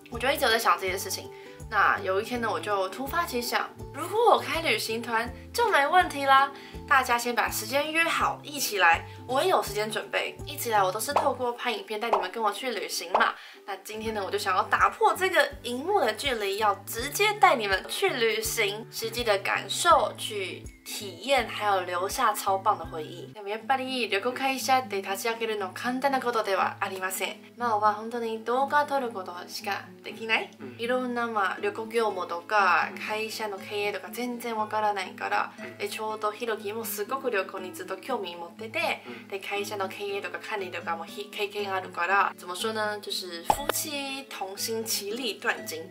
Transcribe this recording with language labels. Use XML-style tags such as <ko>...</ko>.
<zh>我就一直有在想这件事情。那有一天呢，我就突发奇想，如果我开旅行团就没问题啦，大家先把时间约好一起来，我也有时间准备。一直以来我都是透过拍影片带你们跟我去旅行嘛，那今天呢，我就想要打破这个荧幕的距离，要直接带你们去旅行，实际的感受去体验，还有留下超棒的回忆。</zh> <ja>でもやっぱり旅行会社で立ち上げるの簡単なことではありません。まあは本当に動画撮ることしかできない。いろんなまあ旅行業務とか会社の経営とか全然わからないから、でちょうどひろきもすごく旅行にずっと興味持ってて、で会社の経営とか管理とかも経験あるから、</ja> <zh>怎么说呢？就是夫妻同心其力断金。</zh>